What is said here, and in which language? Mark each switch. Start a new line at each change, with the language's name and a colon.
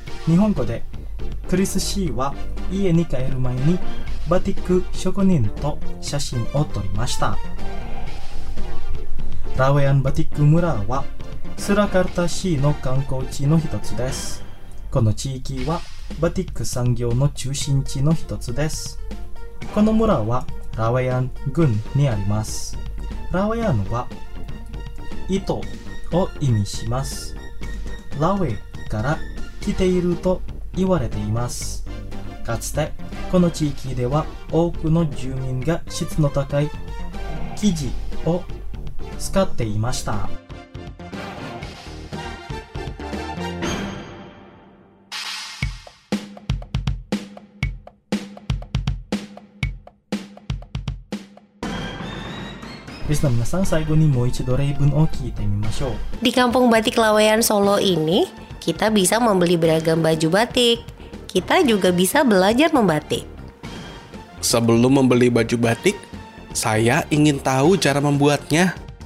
Japanese: Nihongo de, Chris shi wa ie ni kaeru mai ni バティック職人と写真を撮りました。ラウェアンバティック村はスラカルタ市の観光地の一つです。この地域はバティック産業の中心地の一つです。この村はラウェアン郡にあります。ラウェアンは糸を意味します。ラウェから来ていると言われています。かつてこの地域では多くの住民が質の高い生地を使っていました。リスナー皆さん、最後にもう一度例文を聞いてみましょう。
Indonesian: Di kampung batik Lawayan Solo ini, kita bisa membeli beragam baju batik. Kita juga bisa belajar membatik. Sebelum membeli baju batik, saya ingin tahu cara membuatnya.